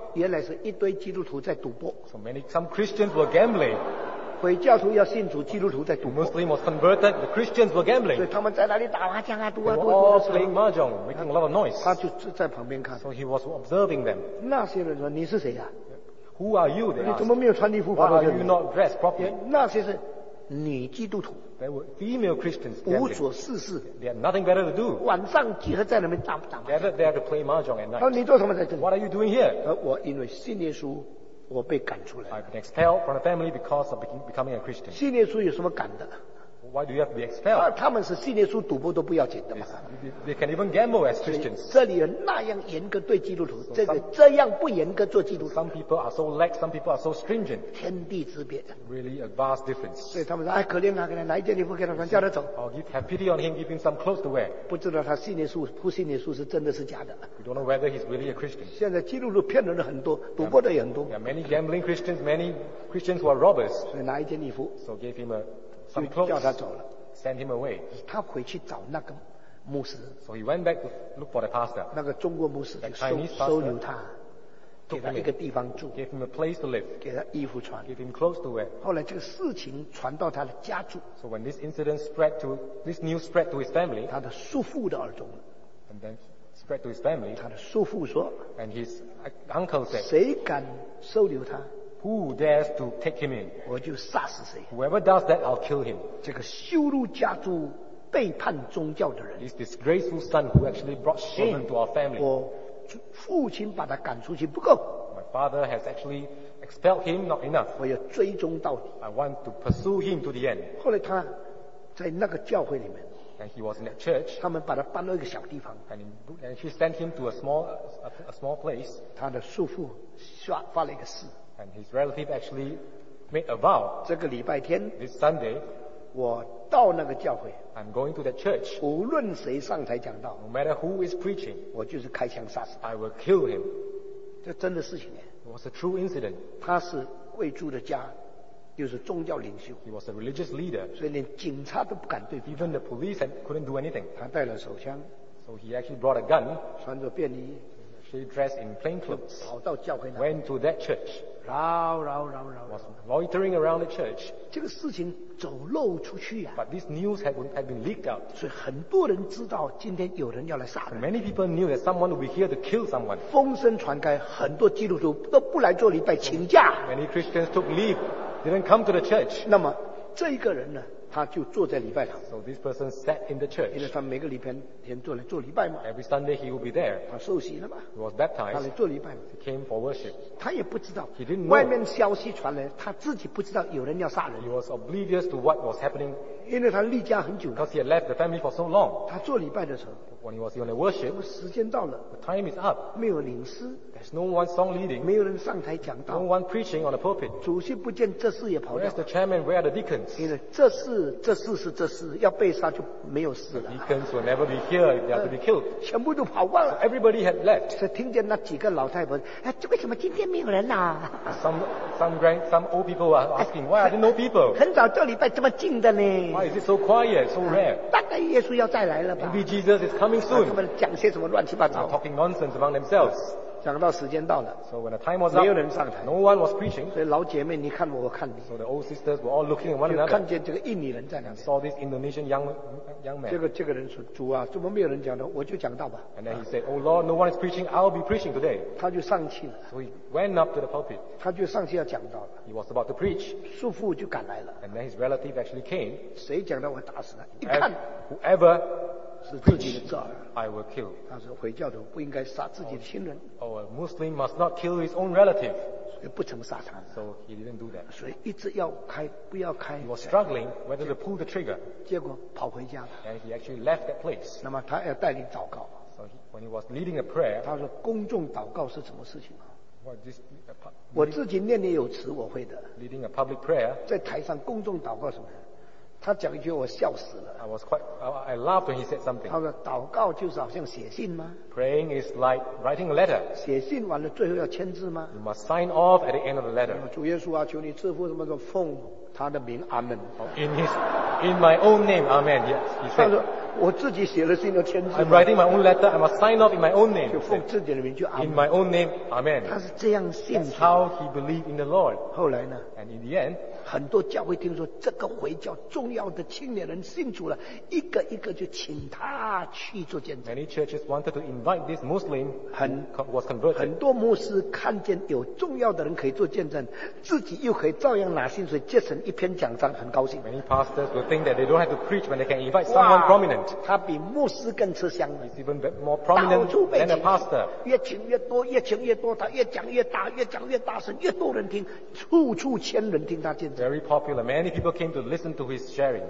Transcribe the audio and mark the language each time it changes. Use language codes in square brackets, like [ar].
[zh] 原来是一堆基督徒在赌博。 [en] So many some Christians were gambling. [zh] 回教徒要信主，基督徒在赌博。 [en] Muslim was converted. The Christians were gambling. [zh] 所以他们在那里打麻将啊，赌啊赌啊。 [en] They were all playing mahjong, making a lot of noise. [zh] 他就在旁边看。 [en] So he was observing them. [zh] 那些人说：“你是谁啊？” [en] Who are you? They asked. [zh] 你怎么没有穿衣服？ [en] Why are you not dressed properly? [zh] 那些是女基督徒。 [en] They were female Christians. [zh] 无所事事。 [en] They had nothing better to do. [zh] 晚上集合在那边打麻将。 [en] Gathered there to play mahjong at night. [zh] 那你做什么在这里？ [en] What are you doing here? [zh] 我因为信耶稣。我被赶出来。 [en] I've been expelled from the family because of becoming a Christian. [zh] 信耶稣有什么赶的？ [en] Why do you have to be expelled? [zh] 他们是信耶稣赌博都不要紧的嘛。 [en] They can even gamble as Christians. [zh] 这里人那样严格对基督徒，这个这样不严格做基督徒。 [en] Some people are so lax, some people are so stringent. [zh] 天地之别。 [en] Really a vast difference. [zh] 所以他们说，哎，可怜他，给他拿一件衣服给他穿，叫他走。 [en] Oh, have pity on him, give him some clothes to wear. [zh] 不知道他信耶稣不信耶稣是真的是假的。 [en] We don't know whether he's really a Christian. [zh] 现在基督徒骗人的很多，赌博的也很多。 [en] Yeah, many gambling Christians, many Christians who are robbers. [zh] 所以拿一件衣服。 [en] So gave him a [zh] Clothes, 叫他走了 [en] ，send him away。 [zh] 他回去找那个牧师 [en] ，so he went back to look for the pastor。 [zh] 那个中国牧师 [en] pastor, [zh] 收留他，给他一个地方住 [en] gave him a place to live [zh] 给他衣服穿 [en] gave him clothes to wear [zh] 后来这个事情传到他的家住 [en] so when this incident spread to this news spread to his family [zh] 他的叔父的耳中 [en] and then spread to his family [zh] 他的叔父说 [en] and his uncle said [zh] 谁敢收留他 [en] who dares to take him in [zh] 我就杀死谁 [en] whoever does that I'll kill him [zh] 这个羞辱家族背叛宗教的人 [en] this disgraceful son who actually brought shame to our family [zh] 我父亲把他赶出去不够 [en] my father has actually expelled him not enough [zh] 我要追踪到底 [en] I want to pursue him to the end [zh] 后来他在那个教会里面 [en] and he was in that church [zh] 他们把他搬到一个小地方 [en] and he sent him to a small place [zh] 他的叔父发了一个誓 [en] and his relative actually made a vow [zh] 这个礼拜天 [en] this Sunday [zh] 我到那个教会 [en] I'm going to that church. [zh] 无论谁上台讲道 [en] No matter who is preaching, [zh] 我就是开枪杀死 [en] I will kill him. [zh] 这真的事情 [en] It was a true incident. [zh] 他是贵族的家就是宗教领袖 [en] He was a religious leader. [zh] 所以连警察都不敢对付 [en] Even the police couldn't do anything. [zh] 他带了手枪 [en] So he actually brought a gun. [zh] 穿着便衣 [en] She dressed in plain clothes. [zh] 跑到教会那 [en] Went to that church. [zh] 绕 [en] Was loitering around the church. [zh] 这个事情走漏出去啊 [en] But this news had been leaked out. [zh] 所以很多人知道今天有人要来杀人。 [en] Many people knew that someone would be here to kill someone. [zh] 风声传开，很多基督徒都不来做礼拜，请假。 [en] Many Christians took leave, didn't come to the church. [zh] 那么这一个人呢，他就坐在礼拜堂。 [en] So this person sat in the church. [zh] 因为他每个礼拜天都来做礼拜嘛。 [en] Every Sunday he would be there. [zh] 他受洗了嘛。 [en] He was baptized. [zh] 他来做礼拜嘛。 [en] He came for worship. [zh] 他也不知道 [en] He didn't know. [zh] 外面消息传来他自己不知道有人要杀人 [en] He was oblivious to what was happening [zh] 因为他离家很久 [en] Because he had left the family for so long [zh] 他做礼拜的时候 [en] When he was on the worship [zh] 时间到了 [en] The time is up [zh] 没有领诗 [en] There's no one song leading [zh] 没有人上台讲道 [en] No one preaching on the pulpit [zh] 主席不见这事也跑掉 [en] Where's the chairman? Where are the deacons? [zh] 因为这事是这事要被杀就没有事了 [en] The deacons will never be here if they are to be killed [zh] 全部都跑光了 [en] so Everybody had left [zh] 所以听见那几个老太婆哎，为什么今天没有人啊 [en] some old people are asking why are there no people [zh] 很早这礼拜这么静的呢 [en] why is it so quiet so rare [zh] 大概耶稣要再来了吧 [en] maybe Jesus is coming soon [zh] 他们讲些什么乱七八糟 [en] they're talking nonsense among themselves [zh] 讲到时间到了 [en] so when the time was up [zh] 没有人上台 [en] no one was preaching [zh] 所以老姐妹你看我看你 [en] so the old sisters were all looking at one another [zh] 就看见这个印尼人在那边 [en] saw this Indonesian young man [zh] 这个人说主啊怎么没有人讲的我就讲到吧 [en] and then he said oh Lord no one is preaching I'll be preaching today [zh] 他就上去了 [en] so he went up to the pulpit [zh] 他就上去要讲到了 [en] he was about to preach [zh] 叔父就赶来了 [en] and then his relative actually came [zh] 谁讲的我打死他一看 [en] whoever preach [zh] 是自己的罪 [en] I will kill [zh] 他说回教徒不应该杀自己的亲人 [en] oh, a Muslim must not kill his own relative [zh] 所以不曾杀他 [en] so he didn't do that [zh] 所以一直要开不要开 [en] he was struggling whether to pull the trigger [zh] 结果跑回家了 [en] and he actually left that place [zh] 那么他要带领祷告 [en] so when he was leading a prayer [zh] 他说公众祷告是什么事情啊 [en] This, leading, [zh] 我自己念念有词我会的 [en] leading a public prayer, [zh] 在台上公众祷告什么他讲一句我笑死了 [en] I was quite, I laughed when he said something [zh] 他说祷告就是好像写信吗 [en] praying is like writing a letter [zh] 写信完了最后要签字吗 [en] you must sign off at the end of the letter [zh] 主耶稣啊求你赐福什么的奉他的名阿们、 [en] oh, in my own name amen yes, he said [zh] 我自己写了信要签字 [en] I'm writing my own letter I must sign off in my own name [zh] 就奉自己的名就 Amen [en] in my own name Amen [zh] 他是这样信 [en] That's how he believed in the Lord [zh] 后来呢 [en] and in the end [zh] 很多教会听说这个回教重要的青年人信主了一个一个就请他去做见证 [en] many churches wanted to invite this Muslim who was converted [zh] 很多牧师看见有重要的人可以做见证自己又可以照样拿薪水节省一篇讲章很高兴 [en] many pastors will think that they don't have to preach when they can invite someone prominent [zh] 他比牧师更吃香 [en] 了 He's even more prominent than a pastor [zh] 越请越多越请越多他越讲越大越讲越大声越多人听处处千人听他见证 [en] Very popular Many people came to listen to his sharing